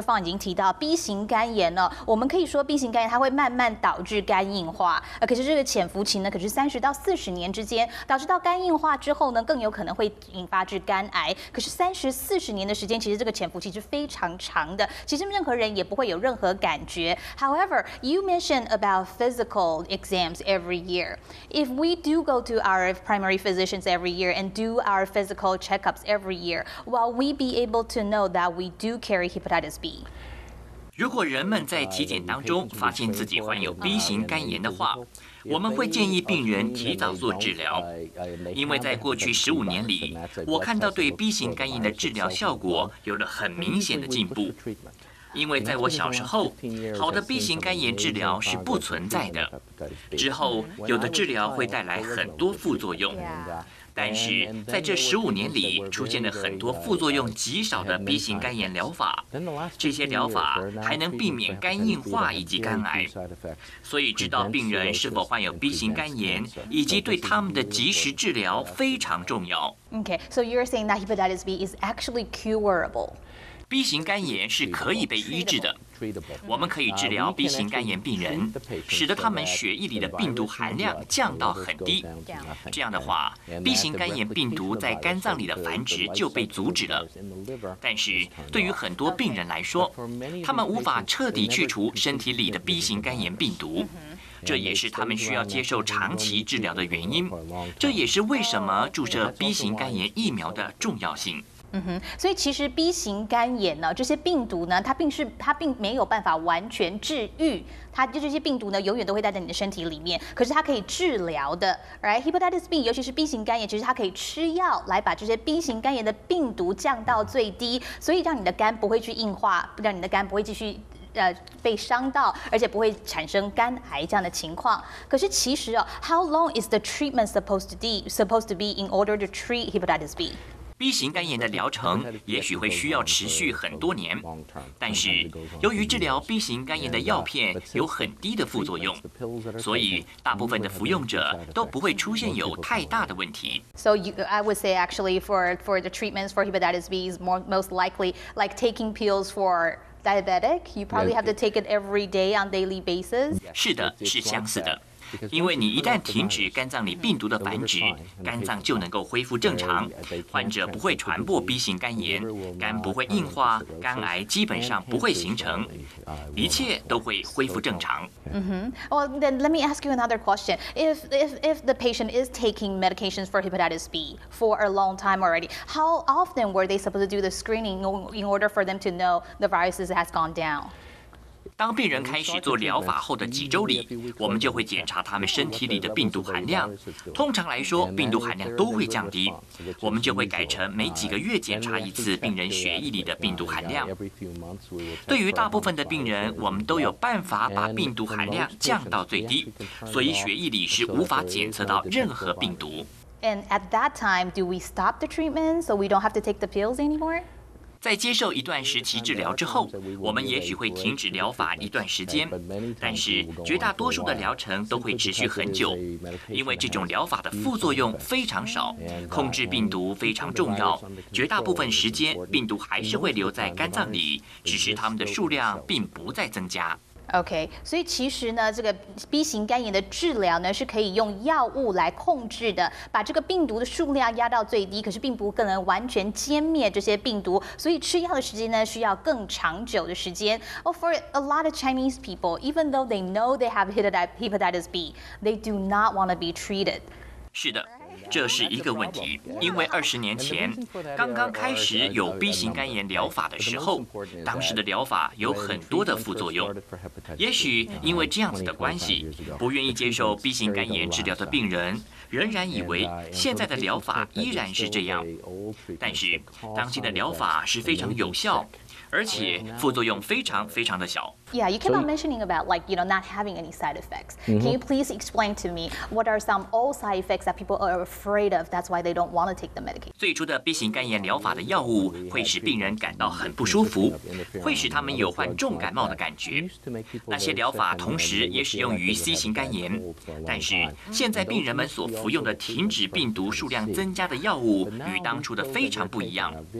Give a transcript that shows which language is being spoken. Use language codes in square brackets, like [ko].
[zh] Fang 已经提到 B 型肝炎了，我们可以说 B 型肝炎它会慢慢导致肝硬化，可是这个潜伏期呢，可是30到40年之间，导致到肝硬化之后呢，更有可能会引发致肝癌。可是30、40年的时间，其实这个潜伏期是非常长的，其实任何人也不会有任何感觉。 [en] However, you mentioned about physical exams every year. If we do go to our primary physicians every year and do our physical checkups every year, will we be able to know that we do carry hepatitis B? [zh] 如果人们在体检当中发现自己患有 B 型肝炎的话，我们会建议病人提早做治疗，因为在过去15年里，我看到对 B 型肝炎的治疗效果有了很明显的进步。因为在我小时候，好的 B 型肝炎治疗是不存在的，之后有的治疗会带来很多副作用。但是在这15年里，出现了很多副作用极少的 B 型肝炎疗法，这些疗法还能避免肝硬化以及肝癌。所以知道病人是否患有 B 型肝炎，以及对他们的及时治疗非常重要。 [en] Okay, so you're saying that hepatitis B is actually curable. [zh] B 型肝炎是可以被医治的。我们可以治疗 B 型肝炎病人，使得他们血液里的病毒含量降到很低。这样的话 ，B 型肝炎病毒在肝脏里的繁殖就被阻止了。但是对于很多病人来说，他们无法彻底去除身体里的 B 型肝炎病毒。这也是他们需要接受长期治疗的原因。这也是为什么注射 B 型肝炎疫苗的重要性。嗯哼，所以其实 B 型肝炎呢，这些病毒呢，它并没有办法完全治愈，它就这些病毒呢，永远都会待在你的身体里面。可是它可以治疗的 ， [en] right? [zh] Hepatitis B， 尤其是 B 型肝炎，其实它可以吃药来把这些 B 型肝炎的病毒降到最低，所以让你的肝不会去硬化，让你的肝不会继续被伤到，而且不会产生肝癌这样的情况。可是其实哦 [en] ，How long is the treatment supposed to be in order to treat hepatitis B？ [zh] B 型肝炎的疗程也许会需要持续很多年，但是由于治疗 B 型肝炎的药片有很低的副作用，所以大部分的服用者都不会出现有太大的问题。 [en] So I would say actually for the treatments for hepatitis B is most likely like taking pills for diabetic. You probably have to take it every day on daily basis. [zh] 是的，是相似的。因为你一旦停止肝脏里病毒的繁殖，肝脏就能够恢复正常，患者不会传播 B 型肝炎，肝不会硬化，肝癌基本上不会形成，一切都会恢复正常。 Mm-hmm. [en] Well, then let me ask you another question. If the patient is taking medications for hepatitis B for a long time already, how often were they supposed to do the screening in order for them to know the viruses has gone down? [zh] 当病人开始做疗法后的几周里，我们就会检查他们身体里的病毒含量。通常来说，病毒含量都会降低。我们就会改成每几个月检查一次病人血液里的病毒含量。对于大部分的病人，我们都有办法把病毒含量降到最低，所以血液里是无法检测到任何病毒。 [en] And at that time, do we stop the treatment so we don't have to take the pills anymore? [zh] 在接受一段时期治疗之后，我们也许会停止疗法一段时间，但是绝大多数的疗程都会持续很久，因为这种疗法的副作用非常少，控制病毒非常重要。绝大部分时间，病毒还是会留在肝脏里，只是它们的数量并不再增加。 [en] OK， [zh] 所以其实呢，这个 B 型肝炎的治疗呢是可以用药物来控制的，把这个病毒的数量压到最低，可是并不可能完全歼灭这些病毒，所以吃药的时间呢需要更长久的时间。 [en] Well, for a lot of Chinese people, even though they know they have hepatitis B, they do not want to be treated. [zh] 是的，这是一个问题，因为二十年前刚刚开始有 B 型肝炎疗法的时候，当时的疗法有很多的副作用。也许因为这样子的关系，不愿意接受 B 型肝炎治疗的病人仍然以为现在的疗法依然是这样，但是当今的疗法是非常有效，而且副作用非常非常的小。 [en] Yeah, you keep on mentioning about like, you know, not having any side effects. Can you please explain to me what are some old side effects that people are afraid of? That's why they don't want to take the medication. [zh] 最初的 B 型肝炎疗法的药物会使病人感到很不舒服，会使他们有患重感冒的感觉。那些疗法同时也使用于 C 型肝炎，但是现在病人们所服用的停止病毒数量增加的药物与当初的非常不一样。